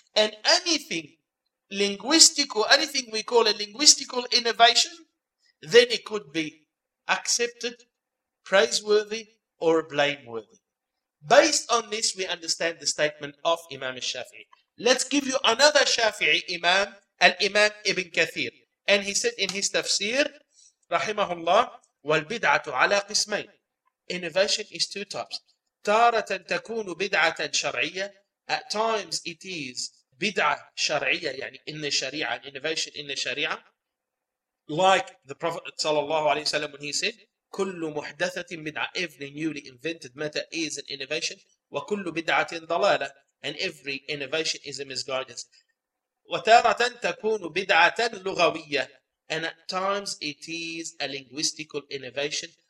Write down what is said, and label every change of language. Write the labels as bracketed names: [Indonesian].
[English] And anything linguistical, anything we call a linguistical innovation, then it could be accepted, praiseworthy, or blameworthy. Based on this, we understand the statement of Imam al-Shafi'i. Let's give you another Shafi'i Imam, Al-Imam Ibn Kathir. And he said in his tafsir, Rahimahullah, [Arabic] وَالْبِدْعَةُ عَلَىٰ قِسْمَيْنِ [English] Innovation is two types. [Arabic] تَارَةً تَكُونُ بِدْعَةً شَرْعِيَّةً [English] At times it is [Arabic] بِدْعَةً شَرْعِيَّةً يعني إِنَّ شَرِيعًا [English] Innovation in the Sharia. Like the Prophet صلى الله عليه وسلم when he said, [Arabic] كُلُّ مُحْدَثَةٍ بِدْعَةً [English] Every newly invented matter is an innovation. [Arabic] وَكُلُّ بِدْعَةٍ ضَلَالَةٍ [English] And every innovation is a misguidance. [Arabic] وَتَارَةً تَكُونُ بِدْعَةً لُغَوِيَّةً [English] And at times it is a linguistical innovation.